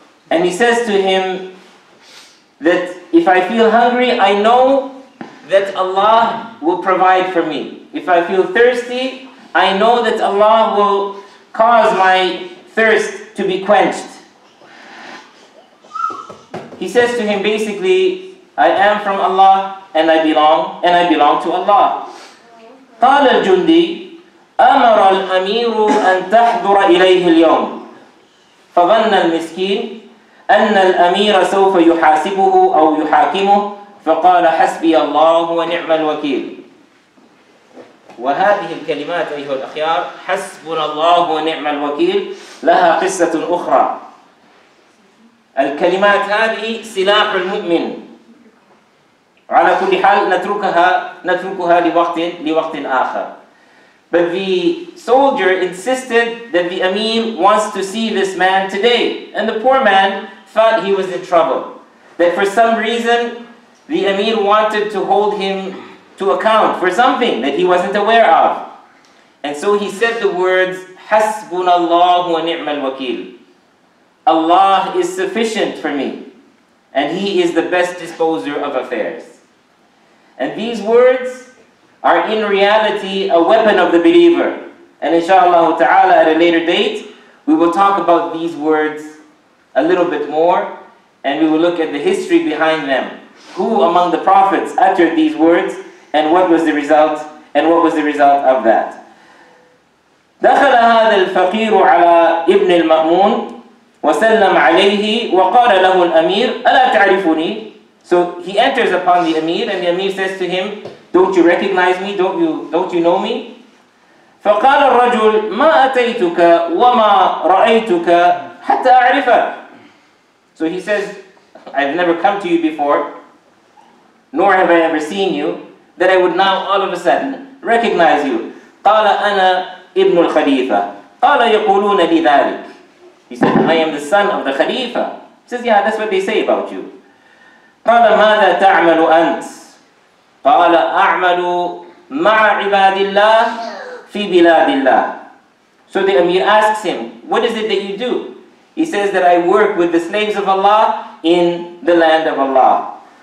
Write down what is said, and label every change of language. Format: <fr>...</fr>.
<en>And he says to him that if I feel hungry, I know that Allah will provide for me. If I feel thirsty, I know that Allah will cause my thirst to be quenched. He says to him, basically, I am from Allah and I belong to Allah.</en> <ar>قال الجندي أمر الأمير أن تحضر إليه اليوم فظن المسكين أن الأمير سوف يحاسبه أو يحاكمه فقال حسبي الله ونعم الوكيل. وهذه الكلمات أيها الأخيار حسبنا الله ونعم الوكيل لها قصة أخرى. الكلمات هذه سلاح المؤمن. على كل حال نتركها لوقت آخر.</ar> <en>But the soldier insisted that the Amin wants to see this man today. And the poor man thought he was in trouble. That for some reason, the Amin wanted to hold him to account for something that he wasn't aware of. And so he said the words,</en> <ar>Hasbunallahu wa ni'mal wakil.</ar> <en>Allah is sufficient for me. And He is the best disposer of affairs. And these words are in reality a weapon of the believer. And inshallah ta'ala, at a later date, we will talk about these words a little bit more, and we will look at the history behind them. Who among the prophets uttered these words, and what was the result, and what was the result of that?</en> <ar>دخل هذا الفقير على ابن المأمون وسلم عليه وقال له الأمير ألا تعرفني.</ar> <en>So he enters upon the Amir, and the Amir says to him, don't you recognize me? Don't you know me?</en> <ar>فقال الرجل ما أتيتك وما رأيتك حتى أعرفك.</ar> <en>So he says, I've never come to you before, nor have I ever seen you, that I would now all of a sudden recognize you.</en> <ar>قال أنا ابن الخليفة. قال يقولون لي ذلك.</ar> <en>He said, I am the son of the Khalifa. He says, yeah, that's what they say about you.</en> <ar>قال ماذا تعمل أنت؟ قال أعمل مع عباد الله في بلاد الله.</ar> <en>So the Amir asks him, what is it that you do? He says that I work with the slaves of Allah in the land of Allah.</en>